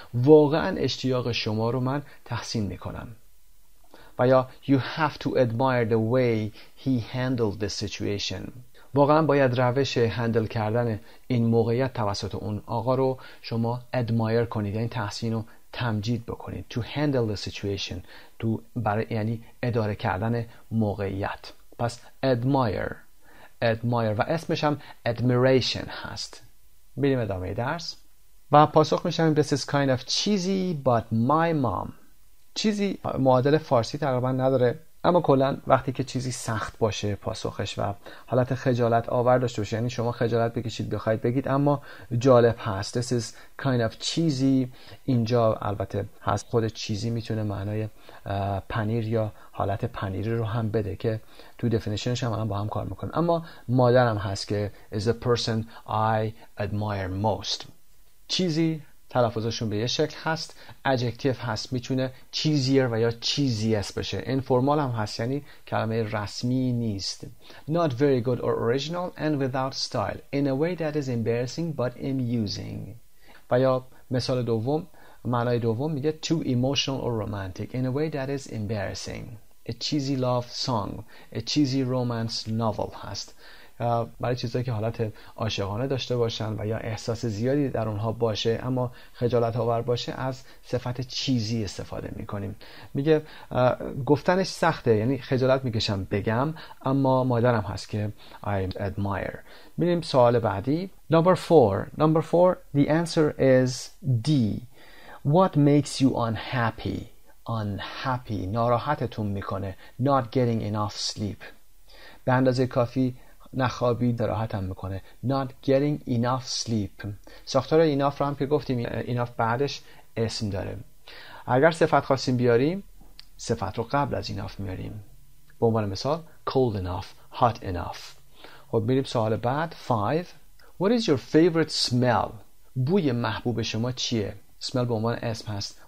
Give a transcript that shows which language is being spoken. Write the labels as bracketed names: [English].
[Persian] واقعاً اشتیاق شما رو من تحسین میکنم. [English] و یا you have to admire the way he handled the situation. [Persian] واقعاً باید روش هندل کردن این موقعیت توسط اون آقا رو شما admire کنید. یعنی تحسین و تمجید بکنید. [English] To handle the situation. [Persian] تو برای یعنی اداره کردن موقعیت. پس admire. و اسمش هم admiration هست. بریم ادامه درس. و پاسخ میشه همین [English] This is kind of cheesy but my mom. [Persian] چیزی معادل فارسی تقریبا نداره، اما کلا وقتی که چیزی سخت باشه پاسخش و حالت خجالت آور داشته باشه، یعنی شما خجالت بکشید بخواید بگید اما جالب هست. [English] This is kind of cheesy. [Persian] اینجا البته هست خود چیزی میتونه معنای پنیر یا حالت پنیری رو هم بده که تو دفینیشنش هم با هم کار میکنه. اما مادرم هست که [English] is the person I admire most. [Persian] چیزی تلفظشون به یه شکل هست، adjective هست میتونه cheesier و یا cheesiest بشه، informal هم هست یعنی کلمه رسمی نیست. [English] Not very good or original and without style in a way that is embarrassing but amusing. [Persian] و یا مثال دوم، معنای دوم میگه [English] too emotional or romantic in a way that is embarrassing. A cheesy love song, a cheesy romance novel هست. [Persian] برای چیزایی که حالت عاشقانه داشته باشن و یا احساس زیادی در اونها باشه اما خجالت آور باشه از صفت چیزی استفاده میکنیم. میگه گفتنش سخته، یعنی خجالت میکشم بگم، اما مادرم هست که [English] I admire. [Persian] میریم سوال بعدی. [English] Number four. The answer is D. What makes you unhappy? Unhappy. [Persian] ناراحتتون میکنه. [English] Not getting enough sleep. [Persian] به اندازه کافی نخوابی دراحت هم میکنه. [English] Not getting enough sleep. [Persian] ساختار enough رو هم که گفتیم، enough بعدش اسم داره. اگر صفت خواستیم بیاریم، صفت رو قبل از enough میاریم. به عنوان مثال [English] cold enough, hot enough. [Persian] خب میریم سوال بعد. 5. [English] What is your favorite smell? [Persian] بوی محبوب شما چیه؟ smell به عنوان اسم هست.